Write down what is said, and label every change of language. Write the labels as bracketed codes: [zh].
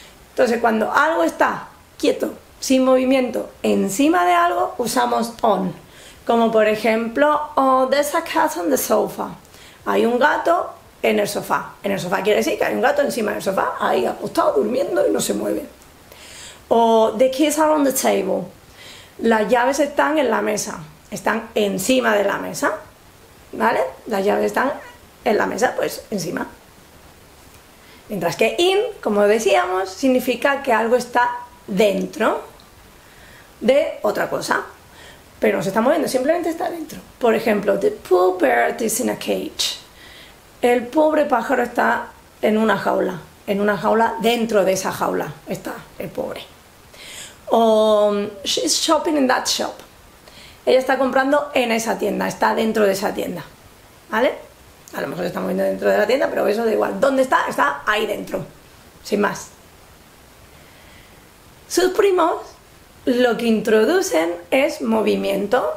[es] Entonces, cuando algo está quieto, sin movimiento, encima de algo, usamos on. Como por ejemplo, [en] oh, there's a cat on the sofa. [es] Hay un gato en el sofá. En el sofá quiere decir que hay un gato encima del sofá, ahí acostado, durmiendo y no se mueve. [en] O the keys are on the table. [es] Las llaves están en la mesa. Están encima de la mesa. ¿Vale? Las llaves están en la mesa, pues encima. Mientras que in, como decíamos, significa que algo está dentro de otra cosa, pero no se está moviendo, simplemente está dentro. Por ejemplo, [en] the poor bird is in a cage. [es] El pobre pájaro está en una jaula dentro de esa jaula está el pobre. [en] O she's shopping in that shop. [es] Ella está comprando en esa tienda, está dentro de esa tienda. ¿Vale? A lo mejor se está moviendo dentro de la tienda, pero eso da igual. ¿Dónde está? Está ahí dentro, sin más. Sus primos lo que introducen es movimiento.